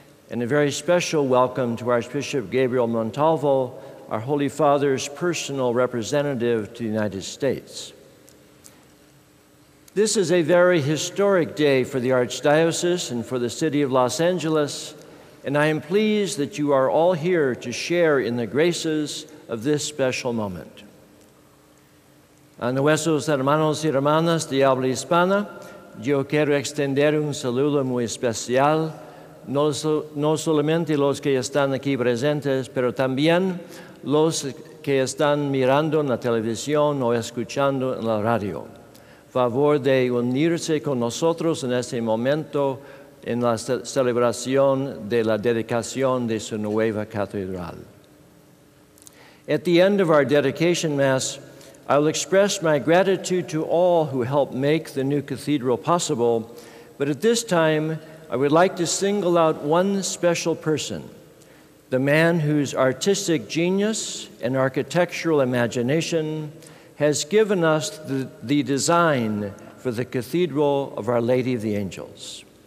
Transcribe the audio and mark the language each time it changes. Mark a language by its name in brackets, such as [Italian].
[English] And a very special welcome to Archbishop Gabriel Montalvo, our Holy Father's personal representative to the United States. This is a very historic day for the Archdiocese and for the City of Los Angeles, and I am pleased that you are all here to share in the graces of this special moment. [Spanish] A nuestros hermanos y hermanas de habla hispana, yo quiero extender un saludo muy especial. No solamente los que están aquí presentes, pero también los que están mirando en la televisión o escuchando en la radio. Favor de unirse con nosotros en este momento en la celebración de la dedicación de su nueva catedral. [English] At the end of our dedication mass, I will express my gratitude to all who helped make the new cathedral possible, but at this time, I would like to single out one special person, the man whose artistic genius and architectural imagination has given us the design for the Cathedral of Our Lady of the Angels.